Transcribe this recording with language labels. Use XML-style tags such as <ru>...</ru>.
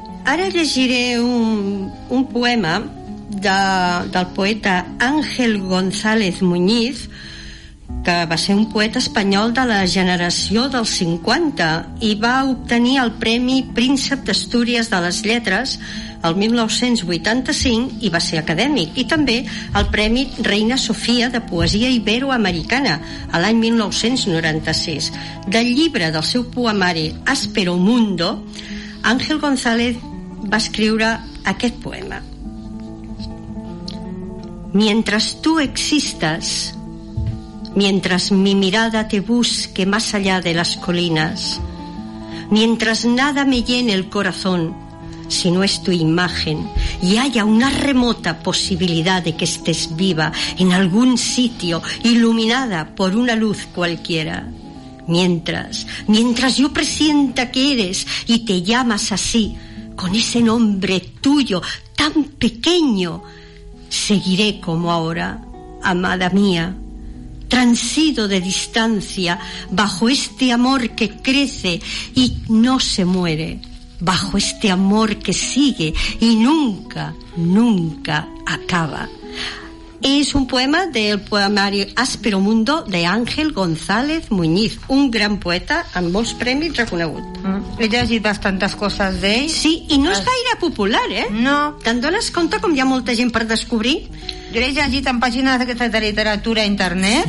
<ca>Ara llegiré un poema del poeta Ángel González Muñiz, que va ser un poeta espanyol de la generació dels 50 i va obtenir el Premi Príncep d'Astúries de les Lletres el 1985 i va ser acadèmic, i també el Premi Reina Sofia de Poesia Iberoamericana a l'any 1996. Del llibre del seu poemari Áspero Mundo, Ángel González va escriure aquest poema.</ca> <es>Mientras tú existas, mientras mi mirada te busque más allá de las colinas, mientras nada me llene el corazón si no es tu imagen y haya una remota posibilidad de que estés viva en algún sitio iluminada por una luz cualquiera, mientras yo presienta que eres y te llamas así con ese nombre tuyo tan pequeño, seguiré como ahora, amada mía, transido de distancia bajo este amor que crece y no se muere, bajo este amor que sigue y nunca, nunca acaba. Es un poema del poemario</es> <ca>Áspero Mundo de Ángel González Muñiz, un gran poeta amb molts premis reconegut. He llegit bastantes coses d'ell. Sí, i no és gaire popular, eh? No. Te'n dones compte com hi ha molta gent per descobrir? Jo l'he llegit en pàgines d'aquesta de literatura a internet.</ca>